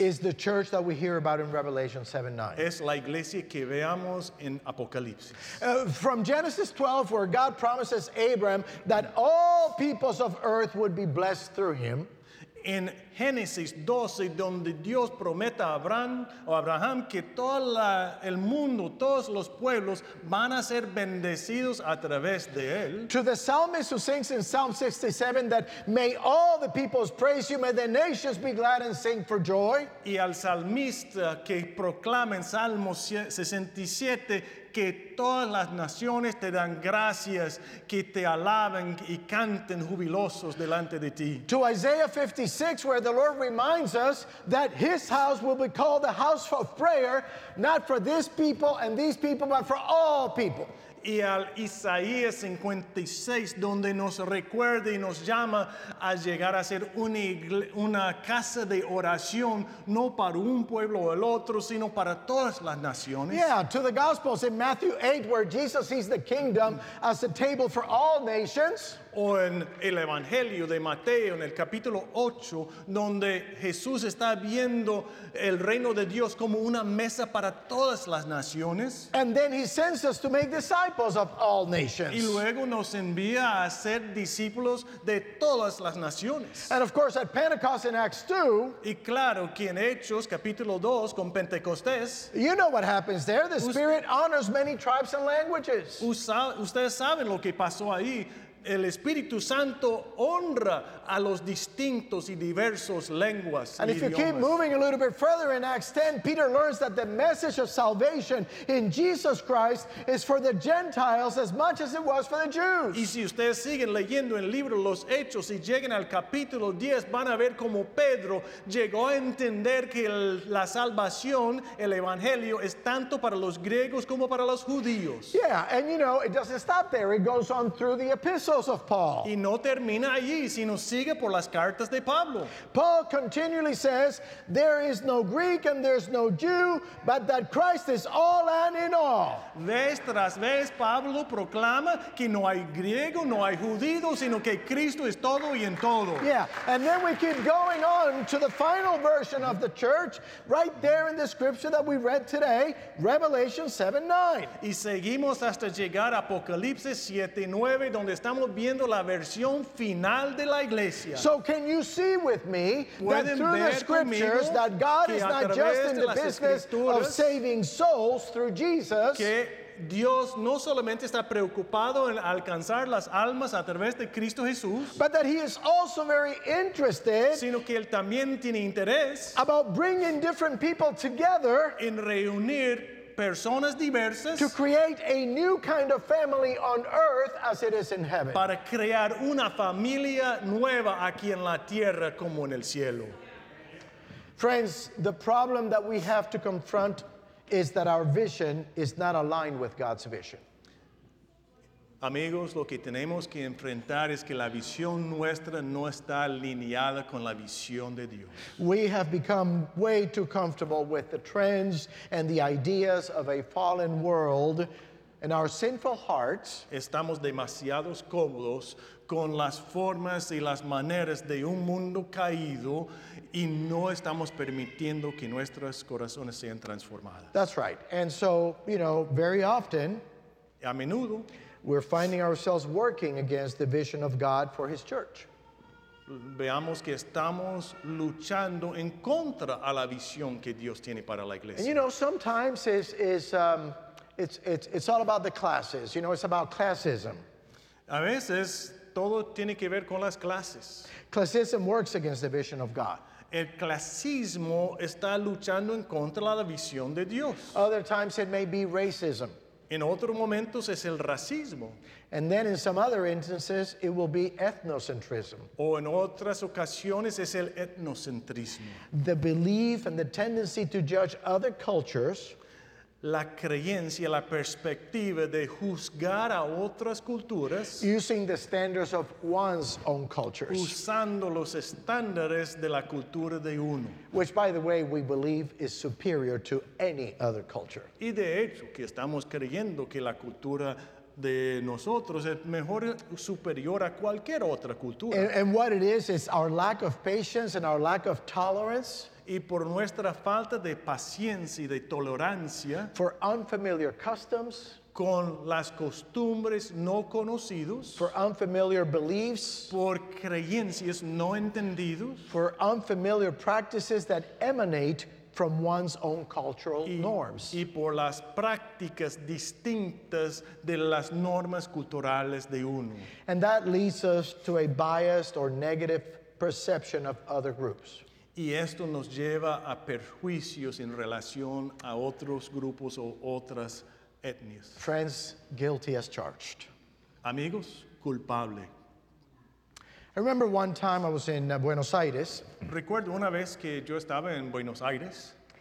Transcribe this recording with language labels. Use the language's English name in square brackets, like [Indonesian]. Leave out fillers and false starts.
[English] is the church that we hear about in Revelation 7:9. [Spanish] Es la iglesia que veamos en Apocalipsis. [English] From Genesis 12, where God promises Abraham that all peoples of earth would be blessed through him. [Spanish] En Génesis 12, donde Dios promete a Abraham, o Abraham que todo la, el mundo, todos los pueblos van a ser bendecidos a través de él. [English] To the psalmist who sings in Psalm 67 that may all the peoples praise you, may the nations be glad and sing for joy. [Spanish] Y al salmista que proclama en Salmo 67 que todas las naciones te dan gracias, que te alaben y canten jubilosos delante de ti. [English] To Isaiah 56, where the Lord reminds us that his house will be called the house of prayer, not for this people and these people, but for all people. [Spanish] Y al Isaías 56, donde nos recuerda y nos llama a llegar a ser una casa de oración, no para un pueblo o el otro, sino para todas las naciones. [English] Yeah, to the Gospels in Matthew 8, where Jesus sees the kingdom as a table for all nations. [Spanish] O en el Evangelio de Mateo, en el capítulo 8, donde Jesús está viendo el reino de Dios como una mesa para todas las naciones. [English] And then he sends us to make disciples of all nations. [Spanish] Y luego nos envía a ser discípulos de todas las naciones. [English] And of course, at Pentecost in Acts 2, [Spanish] y claro que en Hechos, capítulo 2, con Pentecostés, [English] you know what happens there. The Spirit honors many tribes and languages. [Spanish] Ustedes saben lo que pasó ahí. El Espíritu Santo honra a los distintos y diversos lenguas. [English] And if you keep moving a little bit further in Acts 10, Peter learns that the message of salvation in Jesus Christ is for the Gentiles as much as it was for the Jews. [Spanish] Y si ustedes siguen leyendo el libro Los Hechos y llegan al capítulo 10, van a ver cómo Pedro llegó a entender que la salvación, el evangelio, es tanto para los griegos como para los judíos. [English] Yeah, and you know, it doesn't stop there. It goes on through the epistles. Of Paul. [Spanish] Y no termina allí, sino sigue por las cartas de Pablo. [English] Paul continually says, there is no Greek and there's no Jew, but that Christ is all and in all. [Spanish] Vez tras vez, Pablo proclama que no hay griego, no hay judío, sino que Cristo es todo y en todo. [English] Yeah, and then we keep going on to the final version of the church, right there in the scripture that we read today, Revelation 7:9. [Spanish] Y seguimos hasta llegar a Apocalipsis 7:9, donde estamos viendo la versión final de la iglesia. [English] So can you see with me that through the scriptures that God is not just in the business of saving souls through Jesus, [Spanish] que Dios no solamente está preocupado en alcanzar las almas a través de Cristo Jesús, [English] but that he is also very interested, [Spanish] sino que él también tiene interés, [English] about bringing different people together, [Spanish] en reunir personas diversas, [English] to create a new kind of family on earth as it is in heaven. [Spanish] Para crear una familia nueva aquí en la tierra como en el cielo. [English] Friends, the problem that we have to confront is that our vision is not aligned with God's vision. [Spanish] Amigos, lo que tenemos que enfrentar es que la visión nuestra no está alineada con la visión de Dios. [English] We have become way too comfortable with the trends and the ideas of a fallen world, and our sinful hearts. [Spanish] Estamos demasiado cómodos con las formas y las maneras de un mundo caído, y no estamos permitiendo que nuestros corazones sean transformados. [English] That's right. And so, you know, very often, [Spanish] a menudo, [English] we're finding ourselves working against the vision of God for his church. [Spanish] Veamos que estamos luchando en contra a la visión que Dios tiene para la iglesia. [English] And you know, sometimes it's all about the classes. You know, it's about classism. [Spanish] A veces todo tiene que ver con las clases. [English] Classism works against the vision of God. [Spanish] El clasismo está luchando en contra de la visión de Dios. [English] Other times it may be racism. [Spanish] En otros momentos es el racismo. [English] And then in some other instances it will be ethnocentrism. [Spanish] O en otras ocasiones es el etnocentrismo. [English] The belief and the tendency to judge other cultures, [Spanish] la creencia, la perspectiva de juzgar a otras culturas, [English] using the standards of one's own cultures, [Spanish] usando los estándares de la cultura de uno, [English] which by the way we believe is superior to any other culture. [Spanish] Y de hecho que estamos creyendo que la cultura de nosotros es mejor, superior a cualquier otra cultura. [English] And what it is our lack of patience and our lack of tolerance, [Spanish] y por nuestra falta de paciencia y de tolerancia, [English] for unfamiliar customs, [Spanish] con las costumbres no conocidos, [English] for unfamiliar beliefs, [Spanish] por creencias no entendidos, [English] for unfamiliar practices that emanate from one's own cultural norms, [Spanish] y por las prácticas distintas de las normas culturales de uno. [English] And that leads us to a biased or negative perception of other groups. [Spanish] Y esto nos lleva a perjuicios en relación a otros grupos o otras etnias. [English] Friends, guilty as charged. [Spanish] Amigos, culpable. [English] I remember one time I was in Buenos Aires. [Spanish] Recuerdo una vez que yo estaba en Buenos Aires.